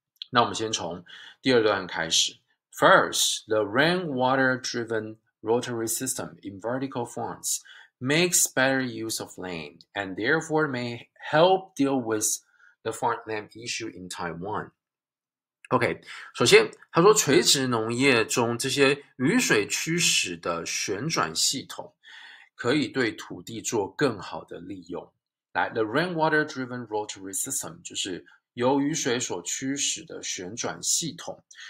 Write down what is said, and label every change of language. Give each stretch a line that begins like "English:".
Chinese: 那我们先从第二段开始。
English: First, the rainwater-driven rotary system in vertical farms makes better use of land and therefore may help deal with the farmland issue in Taiwan.
Chinese: OK，首先他说垂直农业中这些雨水驱使的旋转系统可以对土地做更好的利用。来，
English: the rainwater-driven rotary system
Chinese: 就是由雨水所驱使的旋转系统。